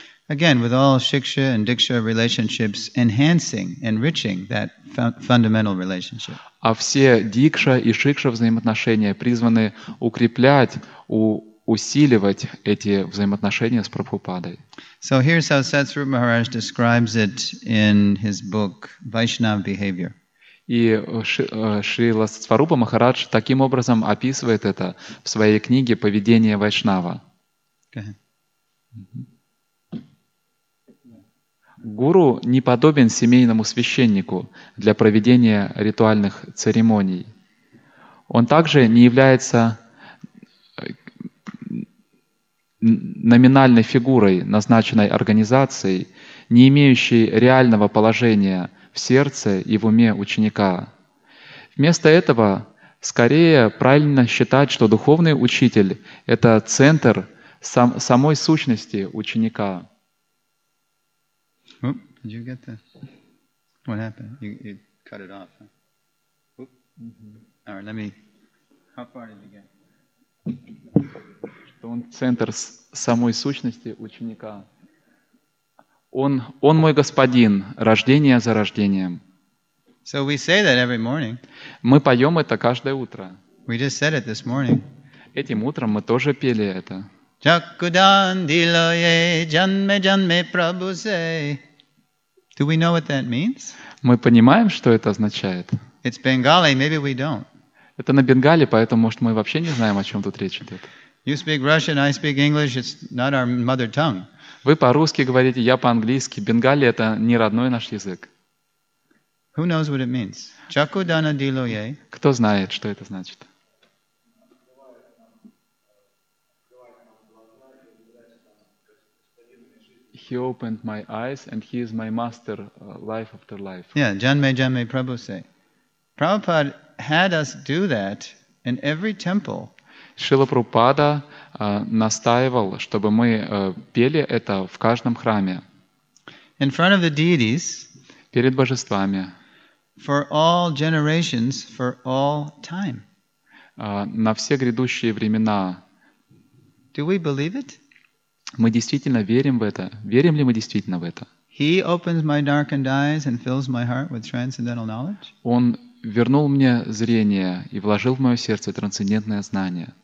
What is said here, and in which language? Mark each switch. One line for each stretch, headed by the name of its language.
English: Again, with all Shiksha and Diksha relationships enhancing, enriching that fundamental relationship.
Russian: А все Дикша и Шикша взаимоотношения призваны укреплять, усиливать эти взаимоотношения с Прабхупадой.
English: So here's how Satsarupa Maharaj describes it in his book Vaishnava Behavior.
Russian: И Шрила Сатсварупа Махарадж таким образом описывает это в своей книге «Поведение Вайшнава». Гуру не подобен семейному священнику для проведения ритуальных церемоний. Он также не является номинальной фигурой, назначенной организацией, не имеющей реального положения в сердце и в уме ученика. Вместо этого, скорее, правильно считать, что духовный учитель — это центр самой сущности ученика.
English: Did you get that? What happened? You cut it off. Huh? Mm-hmm. All right, how far did you get?
Russian: Что он центр самой сущности ученика. Он мой господин, рождение за рождением.
English: So we say that every morning.
Russian: Мы поем это каждое утро.
English: We just said it this morning.
Russian: Этим утром мы тоже пели это.
Bangla: Чакудандилое, джанме джанме прабусей.
English: Do we know what that means?
Russian: Мы понимаем, что это означает.
English: It's Bengali, maybe we don't.
Russian: Это на бенгали, поэтому, может, мы вообще не знаем, о чем тут речь идет.
English: You speak Russian, I speak English. It's not our mother tongue.
Russian: Вы по-русски говорите, я по-английски. Бенгали — это не родной наш язык.
English: Who knows what it means?
Bangla: Чакудана дилое.
Russian: Кто знает, что это значит?
English: he opened my eyes and he is my master life after life.
Bangla: Yeah, Janme Janme Prabhu say.
English: Prabhupada had us do that in every temple.
Russian: Шрила Прабхупада настаивал, чтобы мы пели это в каждом храме.
English: In front of the deities.
Russian: Перед божествами.
English: For all generations, for all time.
Russian: На все грядущие времена.
English: Do we believe it?
Russian: Мы действительно верим в это? Верим ли мы действительно в это?
English: He opens my darkened eyes and fills my heart with transcendental knowledge.
Russian: Он вернул мне зрение и вложил в мое сердце трансцендентное знание.